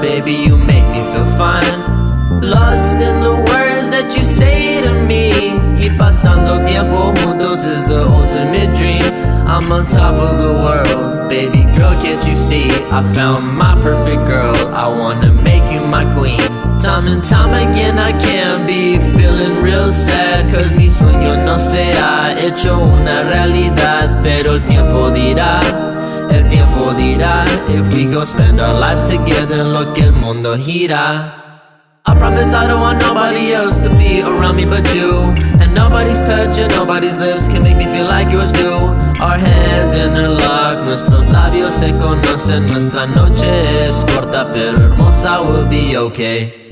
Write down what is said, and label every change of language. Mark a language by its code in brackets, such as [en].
[en] Baby, you make me feel fine. Lost in the words that you say to me. [es] Y pasando tiempo juntos [en] is the ultimate dream. I'm on top of the world. Baby girl, can't you see? I found my perfect girl. I wanna make you my queen. Time and time again, I can be feeling real sad. [es] Cause mi sueño no se ha hecho una realidad. Pero el tiempo dirá, el tiempo dirá. [en] If we go spend our lives together, [es] lo que el mundo gira. [en] I promise I don't want nobody else to be around me but you. And nobody's touch and nobody's lips can make me feel like yours do. Our hands interlock, [es] nuestros labios se conocen. Nuestra noche es corta, pero hermosa, [en] will be okay.